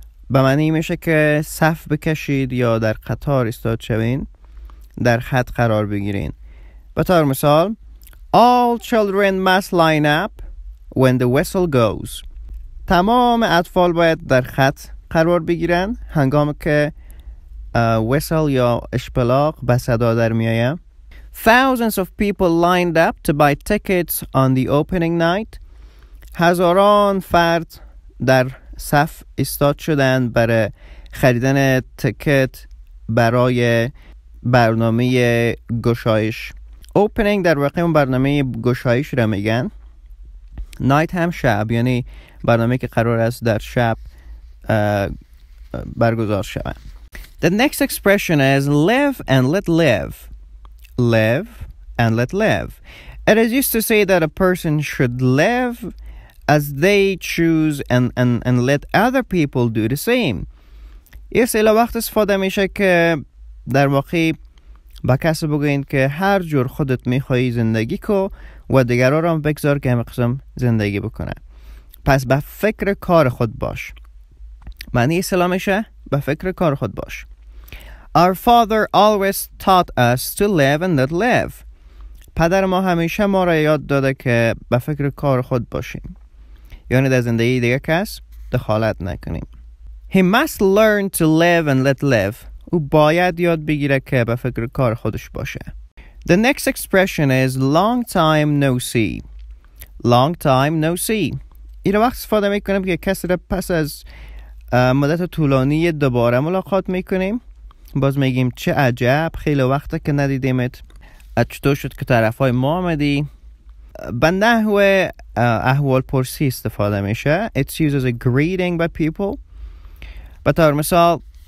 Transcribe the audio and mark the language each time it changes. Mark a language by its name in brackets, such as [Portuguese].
[Persian] به معنی میشه که صف بکشید یا در قطار استاد شوین، در خط قرار بگیرین. به طور مثال [English] All children must line up when the whistle goes. [Persian] تمام اطفال باید در خط قرار بگیرن هنگام که ویسل یا اشپلاق به صدا در می آیه. [English] Thousands of people lined up to buy tickets on the opening night. [Persian] هزاران فرد در صف استاد شدن برای خریدن تکت برای برنامه گشایش. Opening در واقع برنامه گشایش را میگن. نایت هم شب، یعنی برنامه که قرار است در شب برگزار شود. [English] The next expression is live and let live. Live and let live. It is used to say that a person should live as they choose and let other people do the same. [Persian] یه سیلا وقت استفاده میشه که در واقع با کسی بگوین که هر جور خودت میخوایی زندگی کو و دیگر را بگذار که همه قسم زندگی بکنه. پس به فکر کار خود باش. معنی سلامشه به فکر کار خود باش. [English] Our father always taught us to live and not live. [Persian] پدر ما همیشه ما را یاد داده که به فکر کار خود باشیم، یعنی در زندگی دیگه کس دخالت نکنیم. [English] He must learn to live and let live. [Persian] او باید یاد بگیره که به فکر کار خودش باشه. [English] The next expression is long time no see. Long time no see. [Persian] این وقت استفاده میکنیم که کسی را پس از مدت طولانی دوباره ملاقات میکنیم. باز میگیم چه عجب، خیلی وقته که ندیدیمت. چطور شد که طرف های ما آمدی؟ به نحو احوال پرسی استفاده میشه. [English] It's used as a greeting by people. [Persian] به طور مثال